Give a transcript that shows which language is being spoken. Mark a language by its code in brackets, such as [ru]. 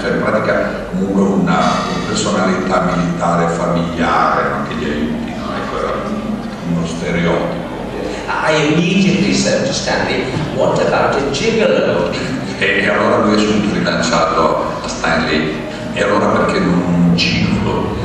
[it] Cioè in pratica comunque una personalità militare familiare no, che li aiuti, no? Ecco, era uno stereotipo. [en] I immediately said to Stanley, what about a gigolo? [it] E allora lui è subito rilanciato a Stanley, e allora perché non un gigolo?